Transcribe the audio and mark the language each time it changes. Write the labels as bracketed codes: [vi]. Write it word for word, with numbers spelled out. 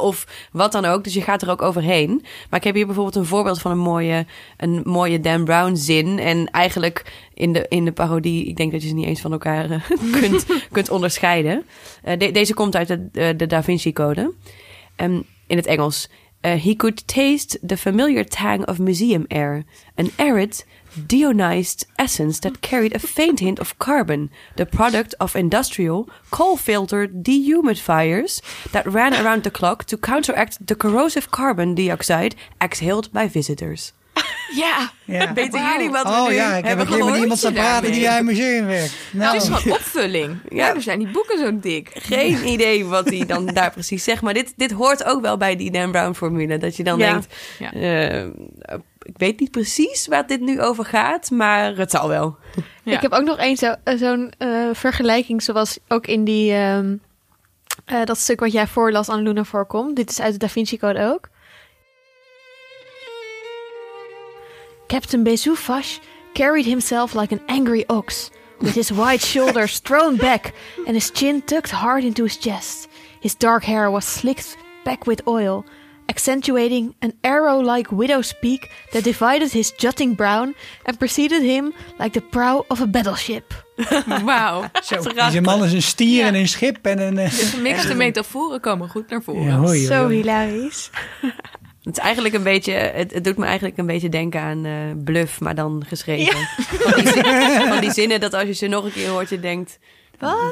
[nl] Of wat dan ook. Dus je gaat er ook overheen. Maar ik heb hier bijvoorbeeld een voorbeeld van een mooie, een mooie Dan Brown zin. En eigenlijk in de, in de parodie, ik denk dat je ze niet eens van elkaar uh, kunt, kunt onderscheiden. Uh, de, deze komt uit de, de, de Da Vinci Code. Um, in het Engels. [en] Uh, he could taste the familiar tang of museum air. An arid, deionized essence that carried a faint hint of carbon. The product of industrial, coal-filtered dehumidifiers that ran around the clock to counteract the corrosive carbon dioxide exhaled by visitors. [nl] Ja, ja. Weten wow. jullie wat we oh, nu ja, ik heb hebben een keer met iemand staan praten die bij een museum werkt. Nou. Het is gewoon opvulling. Ja, er zijn die boeken zo dik. Geen idee wat hij dan daar precies zegt. Maar dit, dit hoort ook wel bij die Dan Brown-formule. Dat je dan ja. denkt, ja. Uh, ik weet niet precies waar dit nu over gaat, maar het zal wel. Ja. Ik heb ook nog eens zo, zo'n uh, vergelijking, zoals ook in die, uh, uh, dat stuk wat jij voorlas aan Luna voorkomt. Dit is uit de Da Vinci Code ook. [en] Captain Bezufash carried himself like an angry ox, with his wide shoulders thrown back and his chin tucked hard into his chest. His dark hair was slicked back with oil, accentuating an arrow-like widow's peak that divided his jutting brown and preceded him like the prow of a battleship. [nl] Wauw. Die man is een stier ja. en een schip. En een, uh, de gemixte metaforen komen goed naar voren. Ja, hoi, hoi. Zo hilarisch. Het is eigenlijk een beetje, het, het doet me eigenlijk een beetje denken aan uh, Bluff, maar dan geschreven. Ja. Van, die zinnen, van die zinnen dat als je ze nog een keer hoort, je denkt, wat?